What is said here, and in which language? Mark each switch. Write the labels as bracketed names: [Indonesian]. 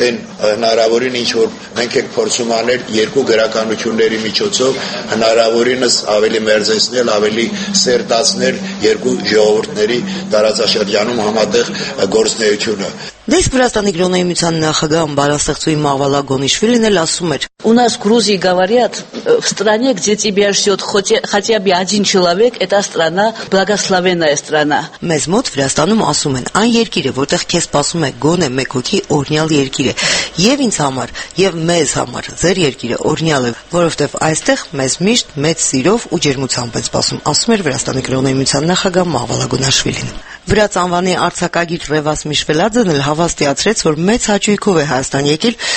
[Armenian] Այն հնարավորին ինչ որ մենք ենք փորձում անել 2 գրականությունների միջոցով հնարավորինս ավելի մերձեցնել, ավելի սերտացնել 2 ժողովուրդների տարածաշրջանում համատեղ գործնեությունը։ Դե իսկ Վրաստանի գրողների միության նախագահ բանաստեղծուհի Մաղվալա Գունաշվիլին էլ ասում էր. [Russian] У нас в Грузии говорят, в стране, где тебя ждет хотя бы один человек, эта страна благословенная страна. [Armenian] Մեզ մոտ Վրաստանում ասում են, այն երկիրը, որտեղ քեզ սպասում է գոնե մեկ հոգի օրնյալ երկիրը, եւ ինձ համար, եւ մեզ համար, ձեր երկիրը օրնյալ է, որովհետեւ այստեղ մեզ միշտ մեծ սիրով ու ջերմությամբ են սպասում, ասում էր Վրաստանի գրողների միության նախագահ Մաղվալա Գունաշվիլին։ Վրաց անվանի արձակագիր Ռևաս Միշվելաձեն էլ հավաստիացրեց, որ մեծ հաճույքով է Հայաստան եկել,